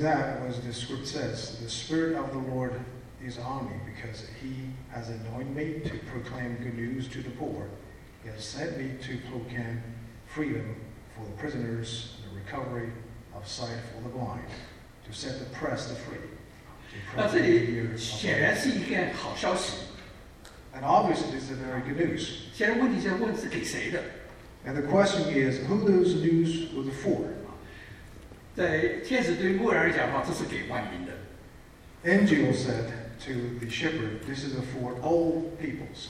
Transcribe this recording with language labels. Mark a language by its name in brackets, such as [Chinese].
[English] that was the script says, the spirit of the Lord is on me, because He has anointed me to proclaim good news to the poor. He has sent me to proclaim freedom for the prisoners, the recovery. Of sight for the blind, to set the oppressed free. [Chinese] 那这里显然是一件好消息。And [English] obviously, this is very good news. [Chinese] 现在问题在问是给谁的？ [English] And the question is, who those news was for? [Chinese] 在天使对牧羊人讲话，这是给万民的。 [English] Angel said to the shepherd, "This is for all peoples."